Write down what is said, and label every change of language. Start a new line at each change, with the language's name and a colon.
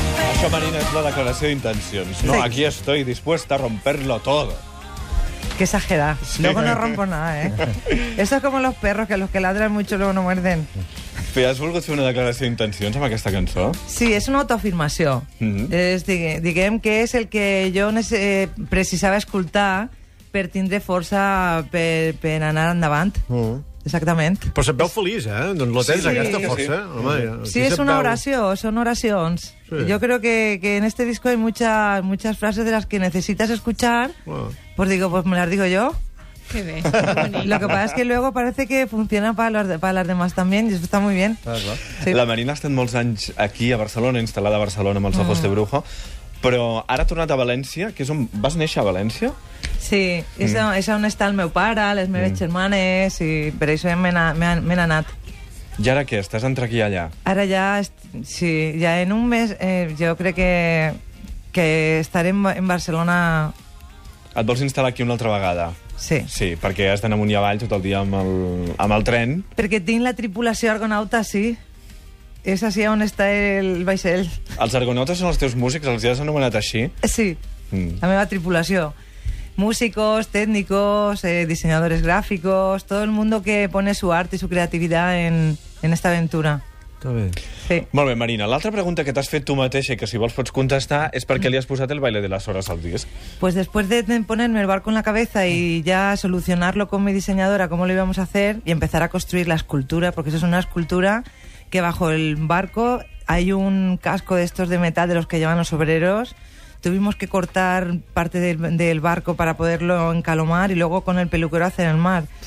Catalan: Això, Marina, és la declaració d'intencions.
Spanish: No, aquí estoy dispuesta a romperlo todo. Qué exagerada. Sí. Luego no rompo nada, ¿eh? Eso es como los perros, que los que ladran mucho luego no muerden.
Catalan: Però has volgut fer una declaració d'intencions amb aquesta cançó? Sí, és una autoafirmació. Mm-hmm. És, diguem que és el que jo precisava escoltar per tindre força per anar endavant. Mm-hmm. Exactament. Però se't veu feliç, eh? Doncs la tens, sí, aquesta força. Sí, home, sí, és una oració, són oracions. Jo sí. Crec que
Spanish: en este disco hay muchas frases de las que necesitas escuchar. Bueno. Pues digo, pues me las digo yo. Qué bien. Lo que pasa es que luego parece que funciona para las demás también, y eso está muy bien. Sí.
Catalan: La Marina ha estat molts anys aquí a Barcelona, instal·lada a Barcelona amb els Ojos de Brujo, però ara ha tornat a València, que és on vas néixer, a València? Sí, és on està el meu pare, les meves germanes, i per això m'he anat. I ara què? Estàs entre aquí i allà? Ara ja, sí, ja en un mes jo crec que estaré en Barcelona. Et vols instal·lar aquí una altra vegada? Sí. Sí, perquè has d'anar amunt i avall tot el dia amb el tren. Perquè tinc la tripulació Argonauta, sí. És així on està el vaixell. Els Argonautes són els teus músics, els has anomenat així? Sí, la meva tripulació.
Spanish: Músicos, técnicos, diseñadores gráficos, todo el mundo que pone su arte y su creatividad en esta aventura. Está bien. Sí.
Catalan: Molt bé, Marina. L'altra pregunta que t'has fet tu mateixa i que si vols pots contestar és per què li has posat el Baile de las Horas al disc.
Spanish: Pues después de ponerme el barco en la cabeza y ya solucionarlo con mi diseñadora, cómo lo íbamos a hacer, y empezar a construir la escultura, porque eso es una escultura que bajo el barco hay un casco de estos de metal de los que llevan los obreros. Tuvimos que cortar parte del barco para poderlo encalomar y luego con el peluquero hacer el mar.